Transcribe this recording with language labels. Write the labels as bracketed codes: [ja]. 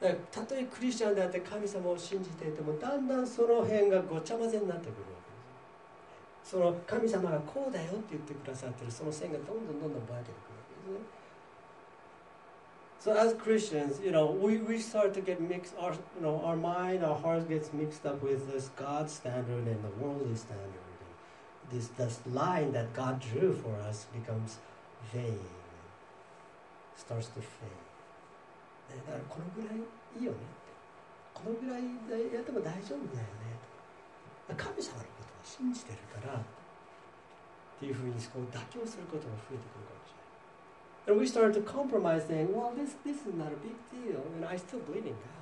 [ja] たとえクリスチャンであって神様を信じていてもだんだんその辺がごちゃ混ぜになってくるわけです。その神様がこうだよって言ってくださってるその線がどんどんどんどんばけてくるわけですね。 [en] So as Christians, you know, we start to get mixed, our, you know, our mind, our heart gets mixed up with this God standard and the worldly standard. This line that God drew for us becomes vain, starts to fade. [ja] だからこのぐらいいいよねってこのぐらいやっても大丈夫だよねと神様のことを信じてるからっていうふうにこう妥協することが増えてくるかもしれない。 [en] And we started to compromise saying, well, this is not a big deal and I still believe in God.